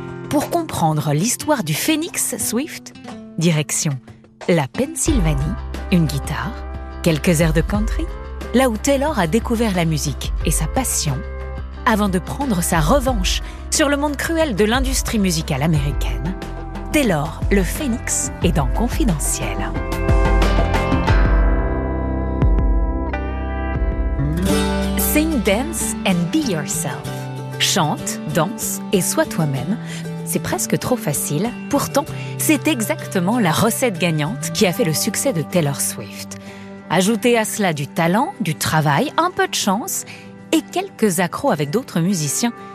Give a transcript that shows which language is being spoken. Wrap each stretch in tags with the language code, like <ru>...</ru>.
<fr>Pour comprendre l'histoire du phénix Swift, direction la Pennsylvanie, une guitare, quelques airs de country, là où Taylor a découvert la musique et sa passion, avant de prendre sa revanche sur le monde cruel de l'industrie musicale américaine, Taylor, le phénix, est dans Confidentiel.</fr> <en>Sing, dance and be yourself.</en> <fr>Chante, danse et sois toi-même, c'est presque trop facile. Pourtant, c'est exactement la recette gagnante qui a fait le succès de Taylor Swift. Ajoutez à cela du talent, du travail, un peu de chance et quelques accros avec d'autres musiciens</fr>